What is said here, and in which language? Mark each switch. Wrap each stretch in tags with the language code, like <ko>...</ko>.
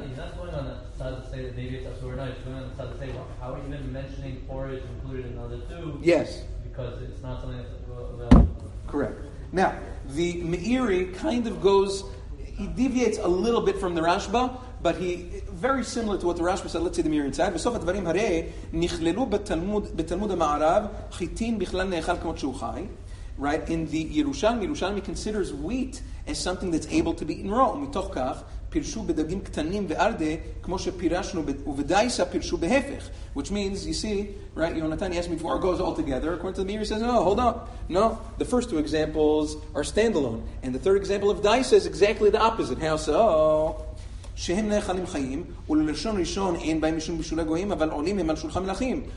<en>He's not going on the side to say that maybe it's a sword, he's going on the side to say, well, how are you even mentioning porridge included in another two? Yes. Because it's not something that's... Correct. Now, the Meiri kind of goes, he deviates a little bit from the Rashba, but he, very similar to what the Rashba said, let's see the mirror inside.</en> <he>בסוף הדברים הרי נכללו בתלמוד המערב חיטין בכלל נאכל כמות שהוא חי.</he> <en>Right? In the Yerushalmi, Yerushalmi considers wheat as something that's able to be eaten raw.</en> <he>ומתוך כך פירשו בדגים קטנים וארדה כמו שפירשנו ובדייסה פירשו בהפך.</he> <en>Which means, you see, right, Yonatan, he asked me before, it goes all together. According to the Meir, he says, oh, hold on. No, the first two examples are standalone. And the third example of Daisa is exactly the opposite. How so?</en> <he>שהם נאכלים חיים, וללשון ראשון אין בהם משום בשולי גויים, אבל עולים הם על שולחן מלאכים.</he>